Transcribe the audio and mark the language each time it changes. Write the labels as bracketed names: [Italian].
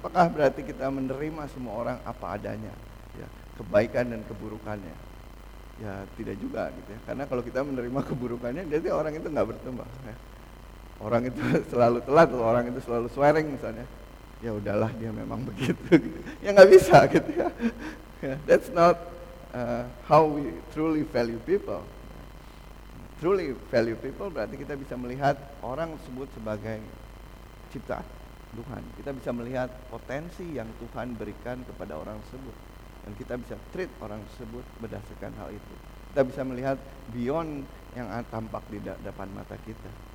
[Indonesian] Apakah berarti kita menerima semua orang apa adanya, ya, kebaikan dan keburukannya? Ya tidak juga, gitu ya. Karena kalau kita menerima keburukannya, jadi orang itu nggak bertumbuh. Ya. Orang itu selalu telat, orang itu selalu swearing misalnya. Ya udahlah, dia memang begitu. Gitu. Ya nggak bisa, gitu ya. [English] That's not how we truly value people. [Indonesian] Truly value people berarti kita bisa melihat orang tersebut sebagai ciptaan Tuhan. Kita bisa melihat potensi yang Tuhan berikan kepada orang tersebut, dan kita bisa treat orang tersebut berdasarkan hal itu. Kita bisa melihat beyond yang tampak di depan mata kita.